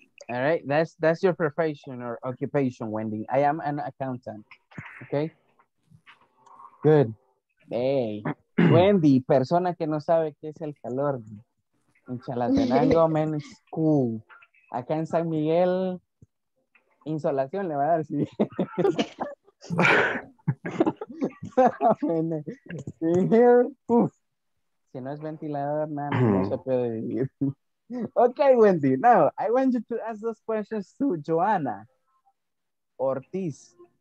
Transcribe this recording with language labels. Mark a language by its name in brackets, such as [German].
[English] All right, that's your profession or occupation, Wendy. I am an accountant, okay? Good. [Spanish] Hey, Wendy, persona que no sabe qué es el calor. En Chalatenango, man, [English] it's cool. [Spanish] Acá en San Miguel, insolación le va a dar, sí. [English] In here, [Spanish] uf. Si no es ventilador, man, no se puede vivir. [English] Okay, Wendy, now I want you to ask those questions to Joanna Ortiz.